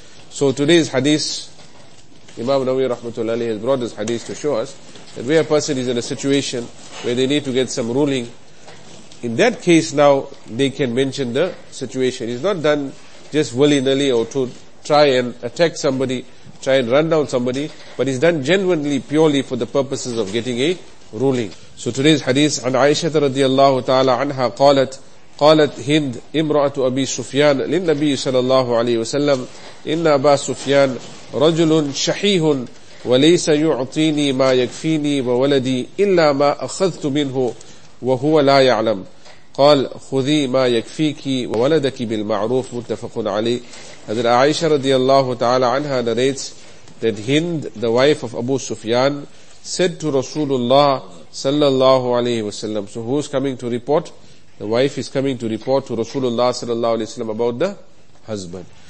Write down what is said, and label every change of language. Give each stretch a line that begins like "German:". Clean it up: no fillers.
English: So today's hadith, Imam Nawawi rahmatullah alayhi has brought this hadith to show us that where a person is in a situation where they need to get some ruling, in that case now they can mention the situation. It's not done just willy-nilly or to try and attack somebody, try and run down somebody, but it's done genuinely, purely for the purposes of getting a ruling. So today's hadith,
Arabic: عن عائشة رضي الله تعالى عنها قالت قالت هند امرأة أبي سفيان للنبي صلى الله عليه وسلم إن أبا سفيان رجل شحيح وليس يعطيني ما يكفيني وولدي إلا ما أخذت منه وهو لا يعلم قال خذي ما يكفيك وولدك بالمعروف. متفق عليه.
English: حضرت عائشة رضي الله تعالى عنها narrates that Hind, the wife of Abu Sufyan, said to Rasulullah sallallahu alayhi wasallam. So who is coming to report? The wife is coming to report to Rasulullah sallallahu alayhi wasallam about the husband.